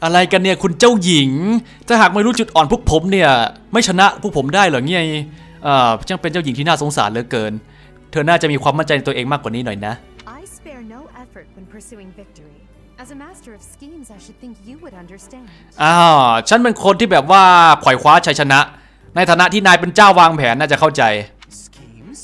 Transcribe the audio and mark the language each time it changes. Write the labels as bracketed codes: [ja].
[th] อะไรกันเนี่ยคุณเจ้าหญิงถ้าหากไม่รู้จุดอ่อนพวกผมเนี่ยไม่ชนะพวกผมได้หรอเนี่ยช่างเป็นเจ้าหญิงที่น่าสงสารเหลือเกินเธอน่าจะมีความมั่นใจในตัวเองมากกว่านี้หน่อยนะ [en] I spare no effort when pursuing victory. As a master of schemes, I should think you would understand. [th] ฉันเป็นคนที่แบบว่าขวายคว้าชัยชนะในฐานะที่นายเป็นเจ้าวางแผนน่าจะเข้าใจ Schemes?